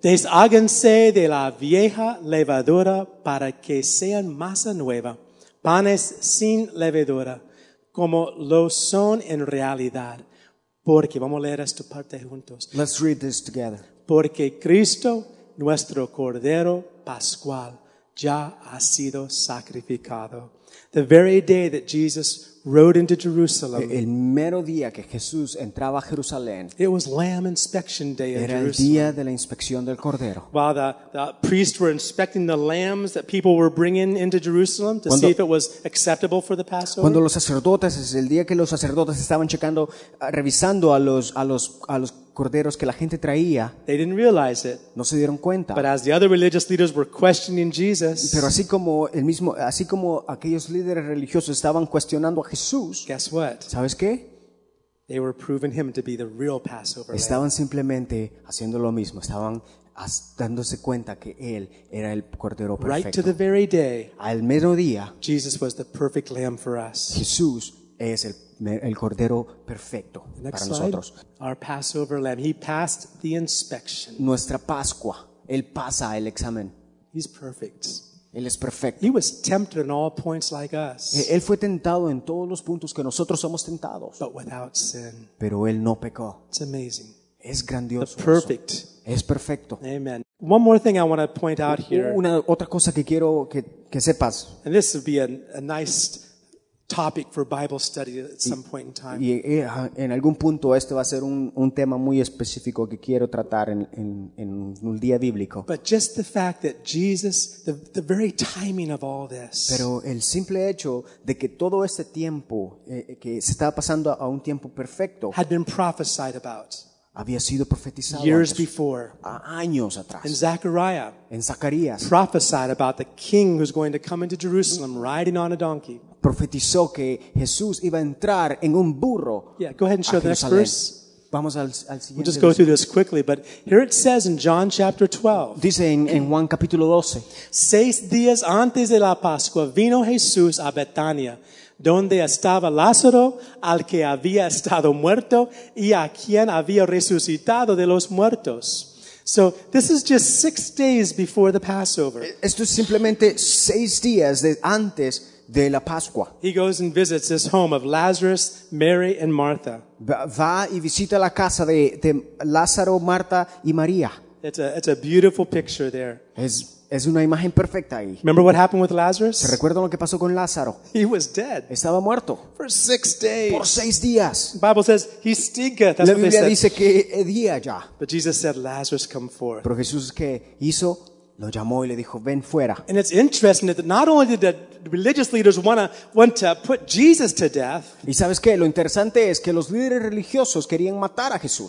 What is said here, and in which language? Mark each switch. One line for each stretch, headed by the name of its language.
Spanish: Desháganse de la vieja levadura para que sean masa nueva, panes sin levadura, como lo son en realidad. Porque vamos a leer esta parte juntos.
English: Let's read this together.
Spanish: Porque Cristo nuestro cordero pascual ya ha sido sacrificado.
English: The very day that Jesus rode into Jerusalem.
Spanish: El mero día que Jesús entraba a Jerusalén.
English: It was Lamb Inspection Day in Jerusalem.
Spanish: Era el día de la inspección del cordero.
English: While the priests were inspecting the lambs that people were bringing into Jerusalem to see if it was acceptable for the Passover.
Spanish: Cuando los sacerdotes, es el día que los sacerdotes estaban checando, revisando a los corderos que la gente traía.
English: They didn't realize it.
Spanish: No se dieron cuenta.
English: But as the other religious leaders were questioning Jesus.
Spanish: Pero así como aquellos líderes religiosos estaban cuestionando a Jesús.
English: Guess what?
Spanish: ¿Sabes qué?
English: They were proving him to be the real Passover.
Spanish: Estaban simplemente haciendo lo mismo, estaban dándose cuenta que él era el cordero perfecto.
English: Right to the very day.
Spanish: Al mero día.
English: Jesus was the perfect lamb for us.
Spanish: Jesús es el cordero perfecto
English: Next
Spanish: para nosotros.
English: Slide. Our Passover lamb, he passed the inspection.
Spanish: Nuestra Pascua, él pasa el examen.
English: He's perfect.
Spanish: Él es perfecto.
English: He was tempted in all points like us.
Spanish: Él fue tentado en todos los puntos que nosotros somos tentados.
English: But without sin.
Spanish: Pero él no pecó.
English: It's amazing.
Spanish: Es grandioso.
English: The perfect.
Spanish: Es perfecto.
English: Amen. One more thing I want to point out here.
Spanish: Una otra cosa que quiero que sepas.
English: And this would be a nice topic for Bible study at some point in time.
Spanish: Y en algún punto esto va a ser un tema muy específico que quiero tratar en un día bíblico.
English: But just the fact that Jesus, the very timing of all this.
Spanish: Pero el simple hecho de que todo este tiempo que se estaba pasando a un tiempo perfecto
English: had been prophesied about.
Spanish: Había sido profetizado
English: years before,
Spanish: años atrás.
English: In Zechariah,
Spanish: en Zacarías,
English: prophesied about the king who's going to come into Jerusalem riding on a donkey.
Spanish: Profetizó que Jesús iba a entrar en un burro.
English: Yeah, go ahead and show the next verse.
Spanish: Vamos al siguiente.
English: We'll just go through this quickly, but here it says in John chapter 12. Dice en Juan capítulo 12.
Spanish: Seis días antes de la Pascua vino Jesús a Betania, donde estaba Lázaro, al que había estado muerto y a quien había resucitado de los muertos.
English: So this is just 6 days before the Passover.
Spanish: Esto es simplemente 6 días antes de la Pascua.
English: He goes and visits this home of Lazarus, Mary, and Martha.
Spanish: Va y visita la casa de Lázaro, Marta y María.
English: It's a beautiful picture there.
Spanish: Es una imagen perfecta ahí.
English: Remember what happened with Lazarus?
Spanish: ¿Se recuerdan lo que pasó con Lázaro?
English: He was dead.
Spanish: Estaba muerto.
English: For 6 days.
Spanish: Por 6 días.
English: The Bible says he stinketh. That's
Spanish: la Biblia
English: what they said.
Spanish: Dice que hedía ya.
English: But Jesus said, Lazarus, come forth.
Spanish: Pero Jesús qué hizo? Lo llamó y le dijo, ven fuera.
English: And it's interesting that not only did the religious leaders want to put Jesus to death.
Spanish: ¿Y sabes qué? Lo interesante es que los líderes religiosos querían matar a Jesús.